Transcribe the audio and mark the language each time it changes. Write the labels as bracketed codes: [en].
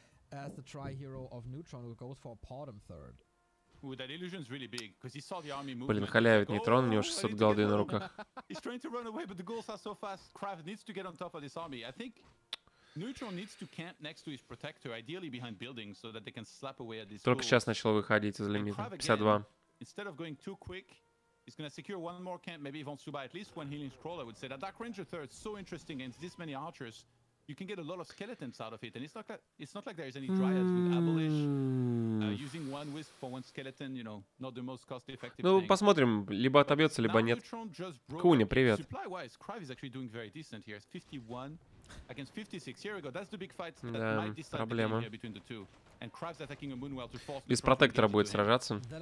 [en] as the tri-hero of Neutron, who goes for a Pardum third. Ooh, that illusion's really big, because he saw the army move. [ru] Блин, халявит Нейтрон, у него 600 голды на руках. [en] He's trying to run away, but the ghouls are so fast. Kraft needs to get on top of this army. I think Neutron needs to camp next to his protector, ideally behind buildings, so that they can slap away at this. [ru] Только сейчас начал выходить из лимита. 52. [en] Instead of going too quick, he's gonna secure one more camp, maybe even Subai, at least one healing scroll, I would say. That Dark Ranger third is so interesting against this many archers. You can get a lot of skeletons out of it, and it's not like there's any dryads with Abolish. Using one wisp for one skeleton, you know, not the most cost-effective. [ru] Ну, посмотрим, либо отобьется, либо нет. Куня, привет. [en] Supply-wise, Krav is actually doing very decent here. 51 against 56. Here we go. That's the big fight that might decide [ru] проблема. [en] The game between the two. And Krav's attacking a Moonwell to force. [ru] Без протектора будет сражаться.